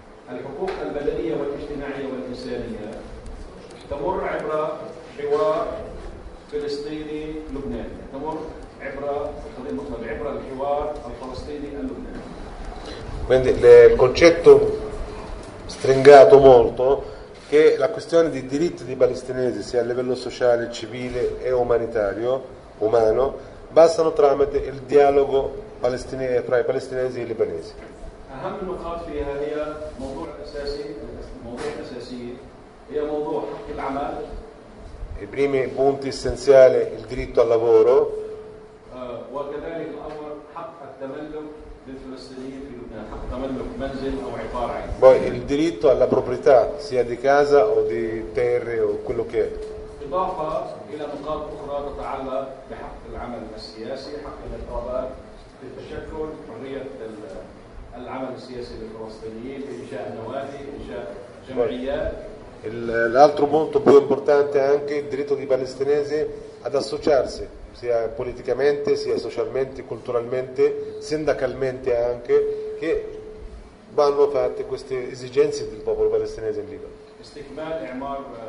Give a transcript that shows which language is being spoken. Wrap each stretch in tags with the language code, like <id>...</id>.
<ar>الحقوق البلدية والاجتماعية والإنسانية تمر عبر حوار فلسطيني لبناني، تمر عبر خلينا نقول عبر الحوار الفلسطيني اللبناني.</ar> <it>Quindi il concetto stringato molto che la questione dei diritti dei palestinesi sia a livello sociale, civile e umanitario, umano, passano tramite il dialogo palestinese tra i palestinesi e i libanesi.</it> <ar>أهم النقاط فيها هي موضوع أساسي، موضوع أساسي هي موضوع حق العمل.</ar> <it>I primi punti essenziali il diritto al lavoro.</it> <ar>وكذلك الأمر حق التملك للفلسطينيين في لبنان، حق تملك منزل أو عبارة عن.</ar> <it>Poi il diritto alla proprietà sia di casa o di terre o quello che è.</it> <ar>إضافة إلى نقاط أخرى تتعلق بحق العمل السياسي، حق الإنتخابات، في التشكل، حرية</ar> <it>L'altro punto più importante è anche il diritto dei palestinesi ad associarsi, sia politicamente, sia socialmente, culturalmente, sindacalmente anche, che vanno fatte queste esigenze del popolo palestinese in Libano.</it>